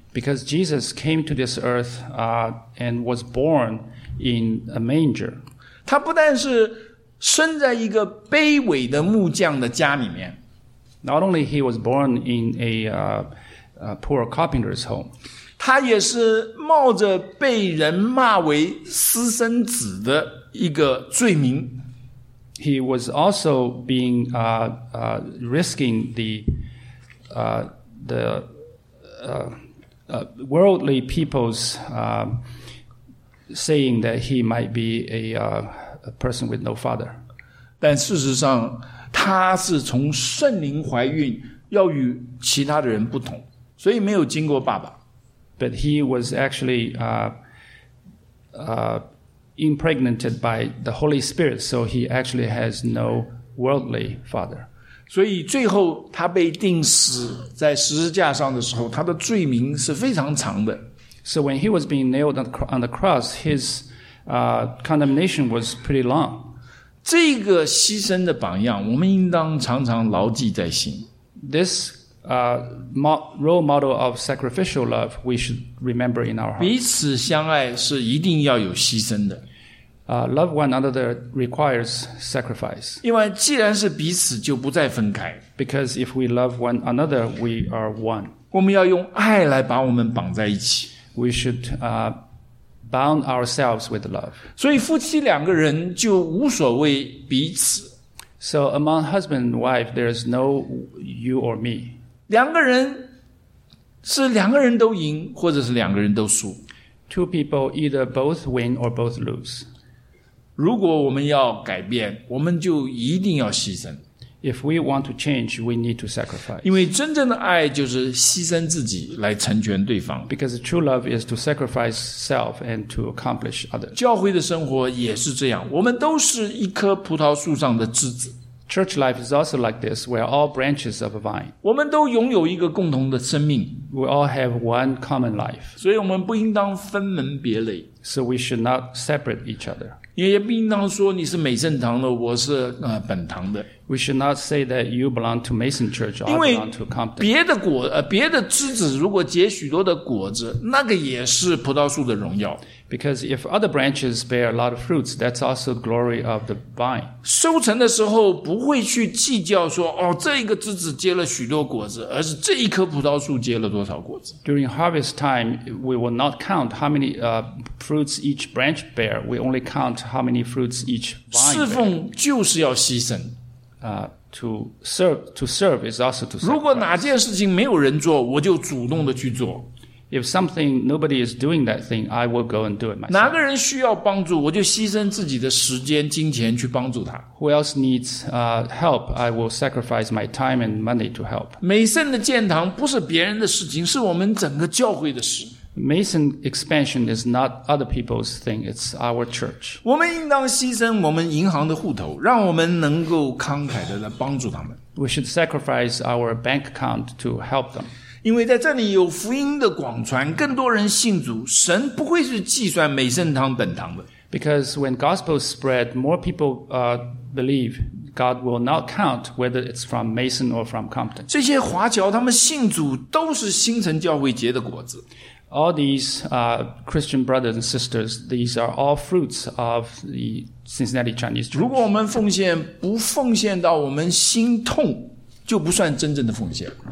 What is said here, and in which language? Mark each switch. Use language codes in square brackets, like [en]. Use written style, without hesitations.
[en] Because Jesus came to this earth, and was born in a manger. [zh] 他不但是生在一个卑微的木匠的家里面。 [en] Not only he was born in a poor carpenter's home. [zh] 他也是冒着被人骂为私生子的一个罪名。 [en] He was also being risking the worldly people's saying that he might be a person with no father. [zh] 但事实上，他是从圣灵怀孕，要与其他的人不同，所以没有经过爸爸。 [en] But he was actually impregnated by the Holy Spirit, so he actually has no worldly father. [zh] 所以最后他被钉死在十字架上的时候，他的罪名是非常长的。 [en] So when he was being nailed on the cross, his condemnation was pretty long. [zh] 这个牺牲的榜样，我们应当常常牢记在心。 [en] This role model of sacrificial love we should remember in our hearts. [zh] 彼此相爱是一定要有牺牲的。 [en] Love one another requires sacrifice. [zh] 因为既然是彼此就不再分开。 [en] Because if we love one another, we are one. [zh] 我们要用爱来把我们绑在一起。 [en] We should bound ourselves with love. [zh] 所以夫妻两个人就无所谓彼此。 [en] So among husband and wife, there is no you or me. [zh] 两个人是两个人都赢，或者是两个人都输。 [en] Two people either both win or both lose. [zh] 如果我们要改变，我们就一定要牺牲。 [en] If we want to change, we need to sacrifice. [zh] 因为真正的爱就是牺牲自己来成全对方。 [en] Because true love is to sacrifice self and to accomplish others. [zh] 教会的生活也是这样，我们都是一棵葡萄树上的枝子。 [en] Church life is also like this. We are all branches of a vine. [zh] 我们都拥有一个共同的生命。 [en] We all have one common life. [zh] 所以我们不应当分门别类。 [en] So we should not separate each other. [zh] 你也不应当说你是美圣堂的，我是本堂的。 [en] We should not say that you belong to Mason Church or belong to Compton. [zh] 因为别的枝子如果结许多的果子，那个也是葡萄树的荣耀。 [en] Because if other branches bear a lot of fruits, that's also glory of the vine. [zh] 收成的时候不会去计较说，哦，这一个枝子结了许多果子，而是这一棵葡萄树结了多少果子。 [en] During harvest time, we will not count how many fruits each branch bear. We only count how many fruits each vine bear. [zh] 侍奉就是要牺牲。 [en] To serve is also to sacrifice. [zh] 如果哪件事情没有人做，我就主动的去做。 [en] If something nobody is doing that thing, I will go and do it myself. [zh] 哪个人需要帮助，我就牺牲自己的时间、金钱去帮助他。 [en] Who else needs help? I will sacrifice my time and money to help. [zh] 美圣的建堂不是别人的事情，是我们整个教会的事。 [en] Mason expansion is not other people's thing, it's our church. [zh] 我们应当牺牲我们银行的户头，让我们能够慷慨的来帮助他们。 [en] We should sacrifice our bank account to help them. [zh] 因为在这里有福音的广传，更多人信主，神不会是计算美圣堂本堂的。 [en] Because when gospel spread, more people believe. God will not count whether it's from Mason or from Compton. [zh] 这些华侨他们信主都是新城教会结的果子。 [en] All these Christian brothers and sisters, these are all fruits of the Cincinnati Chinese Church. [zh] 如果我们奉献不奉献到我们心痛，就不算真正的奉献。